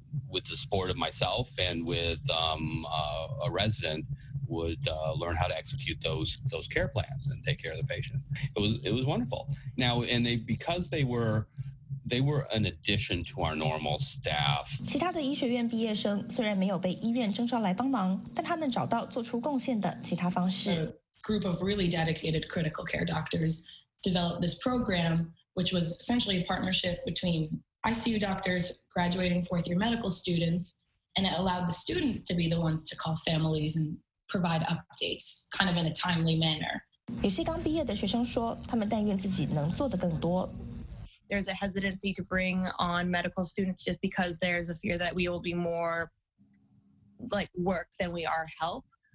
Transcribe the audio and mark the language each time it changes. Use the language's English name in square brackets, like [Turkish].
[English] With the support of myself and with a resident, would learn how to execute those care plans and take care of the patient. It was wonderful. Now, and because they were an addition to our normal staff. [Chinese] 其他的医学院毕业生虽然没有被医院征召来帮忙，但他们找到做出贡献的其他方式。 [English] A group of really dedicated critical care doctors developed this program, which was essentially a partnership between ICU doctors, graduating fourth year medical students, and it allowed the students to be the ones to call families and provide updates kind of in a timely manner. [Chinese] 有些刚毕业的学生说，他们但愿自己能做得更多。 [English] There's a hesitancy to bring on medical students just because there's a fear that we will be more like work than we are help.